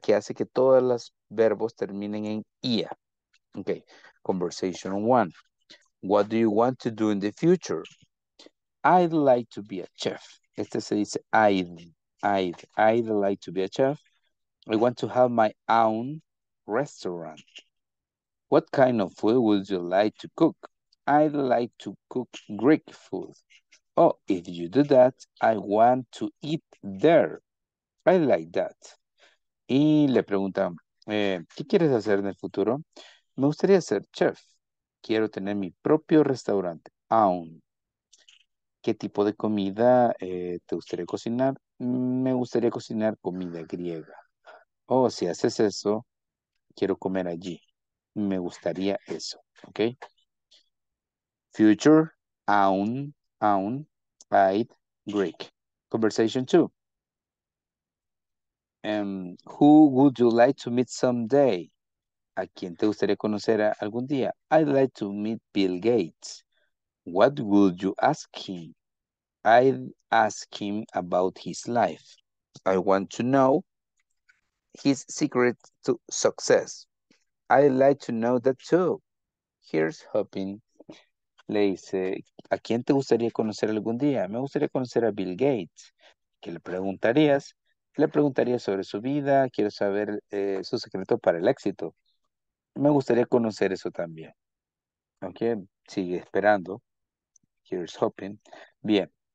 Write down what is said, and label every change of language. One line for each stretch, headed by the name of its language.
Spanish: Que hace que todos los verbos terminen en ia.
English: Okay, conversation one. What do you want to do in the future? I'd like to be a chef.
Spanish: Este se dice
English: I'd like to be a chef. I want to have my own restaurant. What kind of food would you like to cook? I'd like to cook Greek food. Oh, if you do that, I want to eat there. I like that.
Spanish: Y le preguntan, ¿qué quieres hacer en el futuro? Me gustaría ser chef. Quiero tener mi propio restaurante. Own. ¿Qué tipo de comida te gustaría cocinar? Me gustaría cocinar comida griega. Oh, si haces eso, quiero comer allí. Me gustaría eso, ¿ok?
English: Future, own, I'd, Greek. Conversation two. Who would you like to meet someday?
Spanish: ¿A quién te gustaría conocer algún día?
English: I'd like to meet Bill Gates. What would you ask him? I'd ask him about his life. I want to know his secret to success. I'd like to know that too. Here's hoping.
Spanish: Le dice, ¿a quién te gustaría conocer algún día? Me gustaría conocer a Bill Gates. ¿Qué le preguntarías? Le preguntaría sobre su vida. Quiero saber su secreto para el éxito. Me gustaría conocer eso también. Ok, sigue esperando.
English: Here's hoping.
Spanish: Bien.